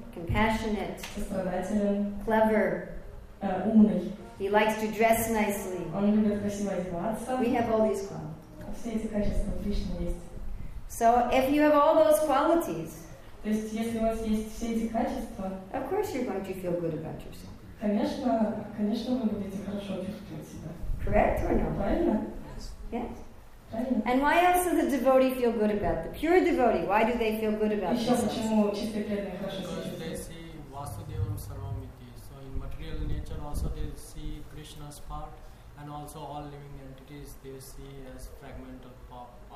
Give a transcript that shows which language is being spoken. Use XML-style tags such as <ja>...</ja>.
<en>Compassionate.</en> <ru>Сострадателен.</ru> <en>Clever.</en> <ru>Умный.</ru> <en>He likes to dress nicely.</en> <ru>Он любит красиво одеваться.</ru> <en>We have all these qualities.</en> <ru>Все эти качества в Кришне есть.</ru> <en>So if you have all those qualities,</en> <ru>То есть, если у вас есть все эти качества,</ru> <en>of course you're going to feel good about yourself.</en> <ru>Конечно, конечно, вы будете хорошо чувствовать себя.</ru> <en>Correct or not?</en> <ru>Правильно?</ru> <en>Yes. And why else does the devotee feel good about the pure devotee? Why do they feel good about themselves? Because they see Vasudevam Sarvamiti. So in material nature also they see Krishna's part and also all living entities they see as fragment of part.</en>